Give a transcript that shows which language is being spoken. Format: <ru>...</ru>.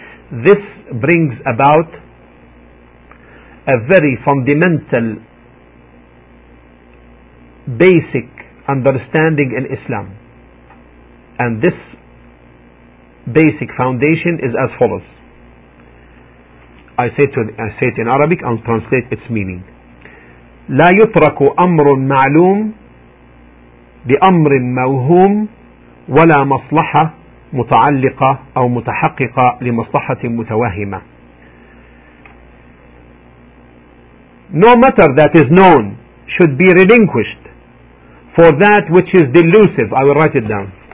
<en>This brings about a very fundamental basic understanding in Islam, and this basic foundation is as follows. I say it in Arabic and translate its meaning.</en> <ar>لا يترك أمر معلوم بأمر موهوم ولا مصلحة متعلقة أو متحققة لمصلحة متوهمة.</ar> <en>No matter that is known should be relinquished for that which is delusive. I will write it down.</en>